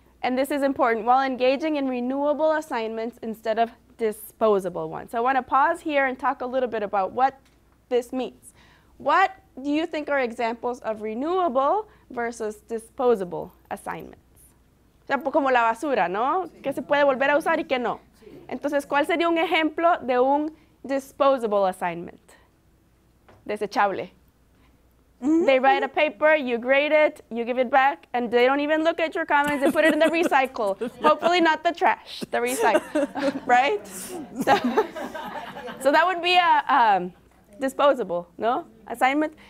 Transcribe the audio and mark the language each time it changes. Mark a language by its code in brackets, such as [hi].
[en] And this is important while engaging in renewable assignments instead of disposable ones. So I want to pause here and talk a little bit about what this means. What do you think are examples of renewable versus disposable assignments? [es] O sea, como la basura, ¿no? Sí. Que se puede volver a usar y que no. Sí. Entonces, ¿cuál sería un ejemplo de un [en] disposable assignment? [es] Desechable. Mm-hmm. [en] They write a paper, you grade it, you give it back, and they don't even look at your comments, they put it in the recycle. Yeah. Hopefully not the trash, the recycle, right? So that would be a disposable, no? Assignment.